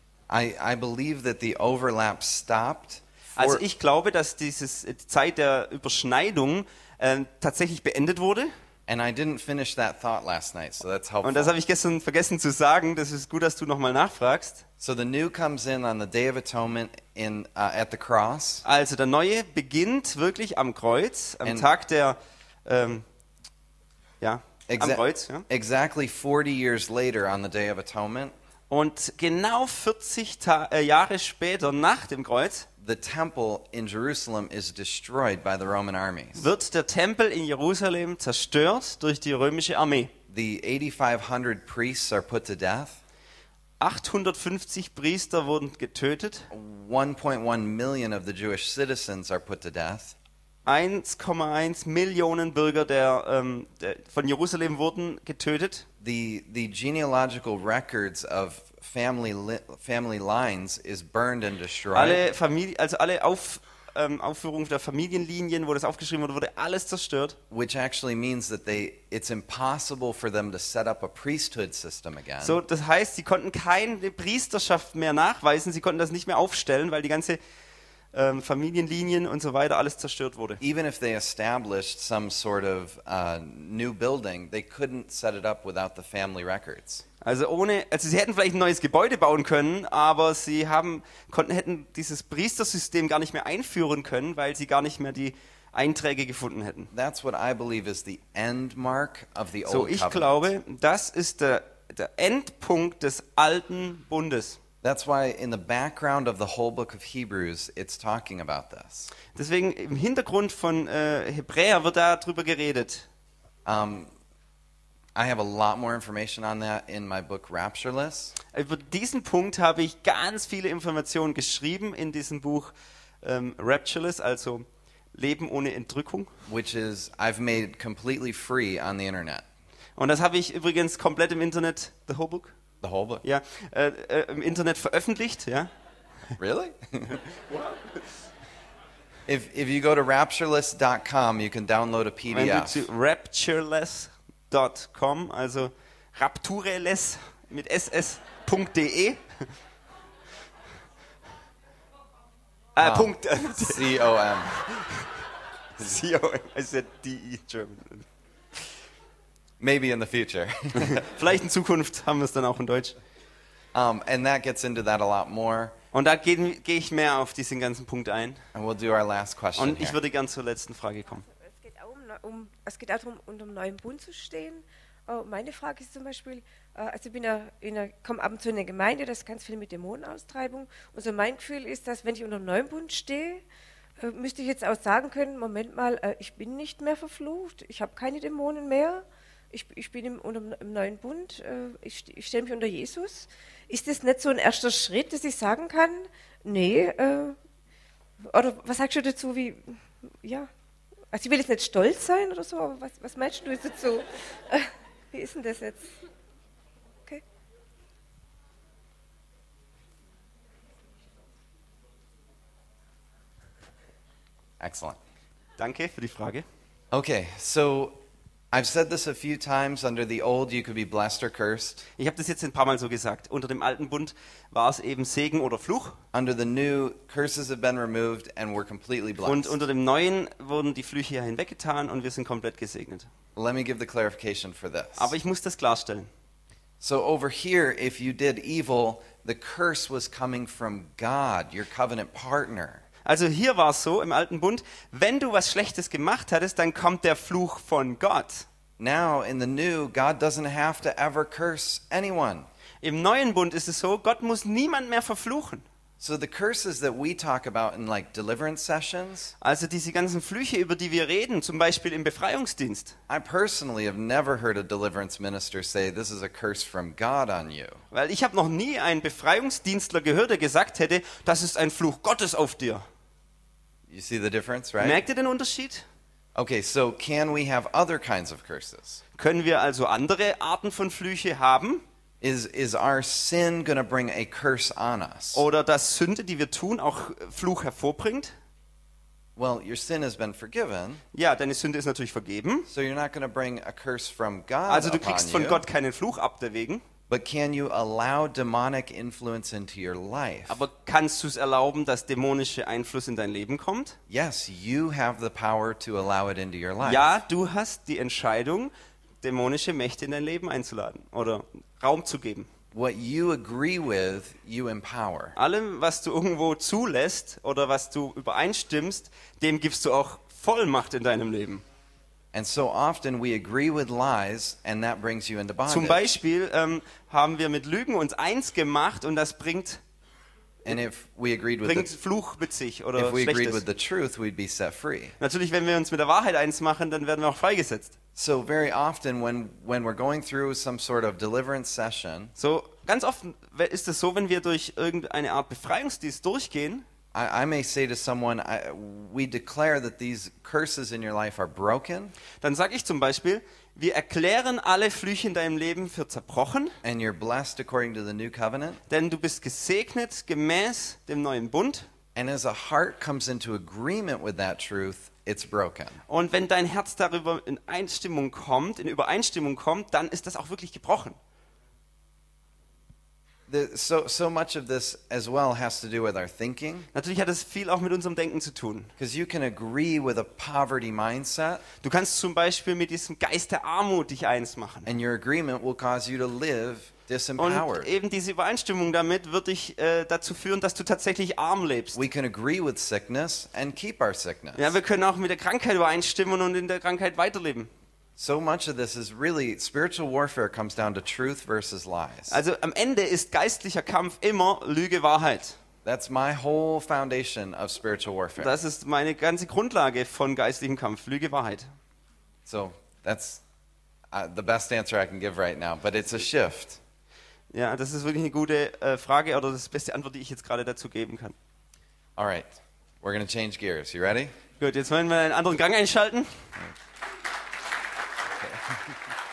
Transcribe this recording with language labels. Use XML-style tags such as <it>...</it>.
<en>I believe that the overlap stopped.</en> <de>Also ich glaube, dass dieses Zeit der Überschneidung tatsächlich beendet wurde.</de> <en>And I didn't finish that thought last night, so that's helpful.</en> <de>Und das habe ich gestern vergessen zu sagen. Das ist gut, dass du nochmal nachfragst.</de> <en>So the new comes in on the Day of Atonement in at the cross.</en> <de>Also der neue beginnt wirklich am Kreuz, am and Tag der am Kreuz. Ja.</de> <en>Exactly 40 years later on the Day of Atonement.</en> <de>Und genau 40 Jahre später nach dem Kreuz</de> <en>the temple in Jerusalem is destroyed by the Roman armies.</en> <de>Wird der Tempel in Jerusalem zerstört durch die römische Armee.</de> <en>The 8500 priests are put to death.</en> <de>850 Priester wurden getötet.</de> <en>1.1 million of the Jewish citizens are put to death.</en> <de>1,1 Millionen Bürger von Jerusalem wurden getötet.</de> <en>The genealogical records of family lines is burned and destroyed.</en> <de>Aufführungen der Familienlinien, wo das aufgeschrieben wurde, alles zerstört.</de> <en>Which actually means that it's impossible for them to set up a priesthood system again.</en> <de>So, das heißt, sie konnten keine Priesterschaft mehr nachweisen, sie konnten das nicht mehr aufstellen, weil die ganze Familienlinien und so weiter alles zerstört wurde.</de> <en>Even if they established some sort of new building, they couldn't set it up without the family records.</en> <de>Also sie hätten vielleicht ein neues Gebäude bauen können, aber sie hätten dieses Priestersystem gar nicht mehr einführen können, weil sie gar nicht mehr die Einträge gefunden hätten.</de> <en>That's what I believe is the end mark of the old</en> <de>covenant. So ich glaube, das ist der Endpunkt des alten Bundes.</de> <en>That's why in the background of the whole book of Hebrews it's talking about this.</en> <de>Deswegen im Hintergrund von Hebräer wird da drüber geredet.</de> <en>I have a lot more information on that in my book Raptureless.</en> <de>Über diesen Punkt habe ich ganz viele Informationen geschrieben in diesem Buch Raptureless, also Leben ohne Entrückung.</de> <en>Which is, I've made completely free on the internet.</en> <de>Und das habe ich übrigens komplett im Internet,</de> <en>the whole book. The whole book?</en> <de>Ja, im Internet veröffentlicht, ja.</de> <en>Really? If you go to raptureless.com, you can download a PDF.</en> <de>Wenn du zu raptureless.com, also raptureless mit ss.de.</de> <en>C-O-M. C-O-M. I said D-E, German. Maybe in the future.</en> <de>Vielleicht in Zukunft haben wir es dann auch in Deutsch.</de> <en>And that gets into that a lot more.</en> <de>Und da gehe ich mehr auf diesen ganzen Punkt ein.</de> <en>And we'll do our last question.</en> <de>Und ich würde gerne zur letzten Frage kommen. Also, es geht auch es geht auch darum, unter einem neuen Bund zu stehen. Meine Frage ist zum Beispiel, also ich bin ja komme ab und zu in eine Gemeinde, das ist ganz viel mit Dämonenaustreibung. Und so mein Gefühl ist, dass wenn ich unter einem neuen Bund stehe, müsste ich jetzt auch sagen können, Moment mal, ich bin nicht mehr verflucht, ich habe keine Dämonen mehr, ich bin im neuen Bund, ich stelle mich unter Jesus. Ist das nicht so ein erster Schritt, dass ich sagen kann, nee, oder was sagst du dazu, wie, ja, also ich will jetzt nicht stolz sein oder so, aber was meinst du dazu? Wie ist denn das jetzt?</de> <en>Excellent.</en> <de>Danke für die Frage.</de> <en>Okay, so I've said this a few times, under the old you could be blessed or cursed.</en> <de>Ich habe das jetzt ein paar Mal so gesagt. Unter dem alten Bund war es eben Segen oder Fluch.</de> <en>Under the new, curses have been removed and we're completely blessed.</en> <de>Und unter dem neuen wurden die Flüche ja hinweggetan und wir sind komplett gesegnet.</de> <en>Let me give the clarification for this.</en> <de>Aber ich muss das klarstellen.</de> <en>So over here, if you did evil, the curse was coming from God, your covenant partner.</en> <de>Also hier war es so im alten Bund, wenn du was Schlechtes gemacht hattest, dann kommt der Fluch von Gott.</de> <en>Now in the new, God doesn't have to ever curse anyone.</en> <de>Im neuen Bund ist es so, Gott muss niemand mehr verfluchen.</de> <en>So the curses that we talk about in like deliverance sessions.</en> <de>Also diese ganzen Flüche, über die wir reden, zum Beispiel im Befreiungsdienst.</de> <en>I personally have never heard a deliverance minister say this is a curse from God on you.</en> <de>Weil ich habe noch nie einen Befreiungsdienstler gehört, der gesagt hätte, das ist ein Fluch Gottes auf dir.</de> <en>You see the difference, right?</en> <de>Merkt ihr den Unterschied?</de> <en>Okay, so can we have other kinds of curses?</en> <de>Können wir also andere Arten von Flüche haben?</de> <en>Is our sin going to bring a curse on us?</en> <de>Oder dass Sünde, die wir tun, auch Fluch hervorbringt?</de> <en>Well, your sin has been forgiven.</en> <de>Ja, deine Sünde ist natürlich vergeben.</de> <en>So you're not going to bring a curse from God.</en> <de>Also du kriegst von Gott keinen Fluch ab deswegen.</de> <en>But can you allow demonic influence into your life?</en> <de>Aber kannst du es erlauben, dass dämonische Einfluss in dein Leben kommt?</de> <en>Yes, you have the power to allow it into your life.</en> <de>Ja, du hast die Entscheidung, dämonische Mächte in dein Leben einzuladen oder Raum zu geben.</de> <en>What you agree with, you empower.</en> <de>Allem, was du irgendwo zulässt oder was du übereinstimmst, dem gibst du auch Vollmacht in deinem Leben.</de> <en>And so often we agree with lies and that brings you into bondage.</en> <de>Zum Beispiel haben wir mit Lügen uns eins gemacht und das bringt</de> <en>And if we agreed with</en> <de>bringt Fluch mit sich oder</de> <en>if we agreed with the truth, we'd be set free.</en> <de>Natürlich, wenn wir uns mit der Wahrheit eins machen, dann werden wir auch freigesetzt.</de> <en>So very often when we're going through some sort of deliverance session,</en> <de>so ganz oft ist es so, wenn wir durch irgendeine Art Befreiungsdienst durchgehen,</de> <en>I may say to someone, we declare that these curses in your life are broken.</en> <de>Dann sage ich zum Beispiel, wir erklären alle Flüche in deinem Leben für zerbrochen.</de> <en>And you're blessed according to the new covenant.</en> <de>Denn du bist gesegnet gemäß dem neuen Bund.</de> <en>And as a heart comes into agreement with that truth, it's broken.</en> <de>Und wenn dein Herz darüber in Übereinstimmung kommt, dann ist das auch wirklich gebrochen.</de> <en>So much of this as well has to do with our thinking.</en> <de>Natürlich hat es viel auch mit unserem Denken zu tun.</de> <en>Because you can agree with a poverty mindset.</en> <de>Du kannst zum Beispiel mit diesem Geist der Armut dich eins machen.</de> <en>And your agreement will cause you to live disempowered.</en> <de>Und eben diese Übereinstimmung damit wird dich dazu führen, dass du tatsächlich arm lebst.</de> <en>We can agree with sickness and keep our sickness.</en> <de>Ja, wir können auch mit der Krankheit übereinstimmen und in der Krankheit weiterleben.</de> <en>So much of this is really spiritual warfare comes down to truth versus lies.</en> <de>Also am Ende ist geistlicher Kampf immer Lüge Wahrheit.</de> <en>That's my whole foundation of spiritual warfare.</en> <de>Das ist meine ganze Grundlage von geistlichem Kampf, Lüge Wahrheit.</de> <en>So that's the best answer I can give right now, but it's a shift.</en> <de>Ja, das ist wirklich eine gute Frage oder das beste Antwort, die ich jetzt gerade dazu geben kann.</de> <en>All right. We're going to change gears. You ready?</en> <de>Gut, jetzt wollen wir einen anderen Gang einschalten.</de>